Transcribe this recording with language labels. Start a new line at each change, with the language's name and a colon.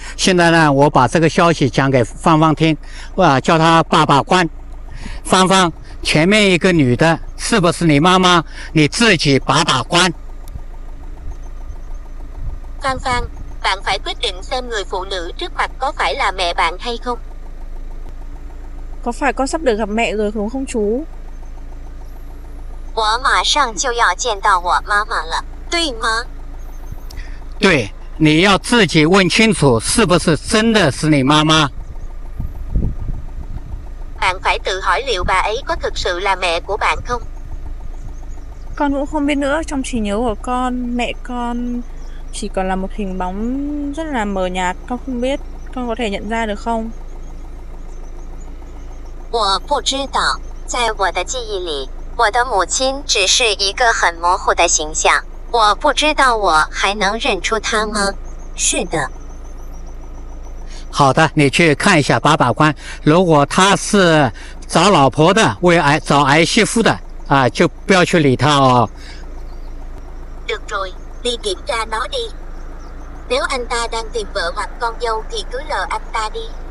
Chinese: 现在呢我把这个消息讲给芳芳听，叫她把把关。芳芳，前面一个女的是不是你妈妈，你自己把把关。
Vietnamese: 芳芳，bạn phải quyết định xem người phụ nữ trước mặt có phải là mẹ bạn hay không。 có phải con sắp được gặp mẹ rồi đúng không chú？
Chinese: 我马上就要见到我妈妈了，对吗？对。你要自己问清楚是不是真的是你妈妈。
Vietnamese: bạn phải tự hỏi liệu bà ấy có thực sự là mẹ của bạn không？ con cũng không biết nữa, trong trí nhớ của con, mẹ con chỉ còn là một hình bóng rất là mờ nhạt, con không biết, con có thể nhận ra được không？
Chinese: 我不知道，在我的记忆里，我的母亲只是一个很模糊的形象，我不知道我还能认出他吗？是的。好的，你去看一下，把把关。如果他是找老婆的，为儿找儿媳妇的啊，就不要去理他哦。
Vietnamese: Được rồi, đi kiểm tra nó đi. Nếu anh ta đang tìm vợ hoặc con dâu thì cứ lờ anh ta đi.